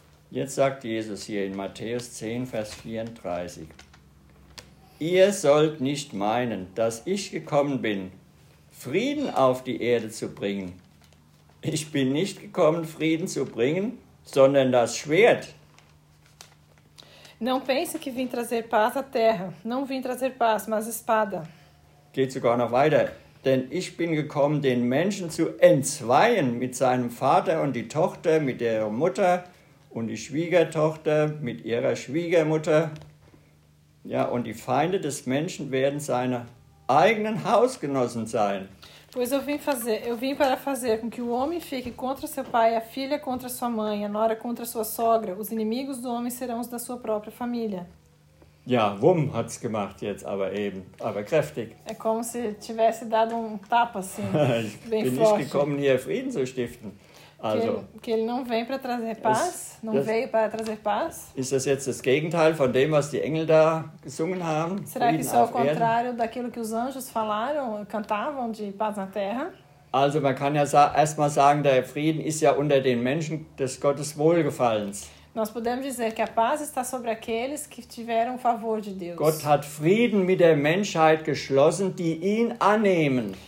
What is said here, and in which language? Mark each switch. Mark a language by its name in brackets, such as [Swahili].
[German] Jetzt sagt Jesus hier in Matthäus 10, Vers 34. Ihr sollt nicht meinen, dass ich gekommen bin, Frieden auf die Erde zu bringen. Ich bin nicht gekommen, Frieden zu bringen, sondern das Schwert. [Portuguese] Não pense que vim trazer paz à terra. Não vim trazer paz, mas espada. [German] Geht sogar noch weiter. Denn ich bin gekommen, den Menschen zu entzweien mit seinem Vater und die Tochter, mit ihrer Mutter und die Schwiegertochter, mit ihrer Schwiegermutter. Ja, und die Feinde des Menschen werden seine eigenen Hausgenossen sein. [Portuguese] Pois eu vim para fazer com que o homem fique contra seu pai, a filha contra sua mãe, a nora contra sua sogra. Os inimigos do homem serão os da sua própria família. [German] Ja, wumm hat's gemacht jetzt, aber eben, aber kräftig. [Portuguese] É como se tivesse dado tapa assim, [German] ich bin [Portuguese] forte. [German] Nicht gekommen, hier Frieden zu stiften. Also, [Portuguese] que ele não vem para trazer paz, veio para trazer paz. [German] Ist das jetzt das Gegenteil von dem, was die Engel da gesungen haben? [Portuguese] Será que isso é o contrário daquilo que os anjos falaram, cantavam de paz na terra? [German] Also man kann ja erstmal sagen, der Frieden ist ja unter den Menschen des Gottes Wohlgefallens. [Portuguese] Nós podemos dizer que a paz está sobre aqueles que tiveram o favor de Deus. [German] Gott hat Frieden mit der Menschheit geschlossen, die ihn annehmen.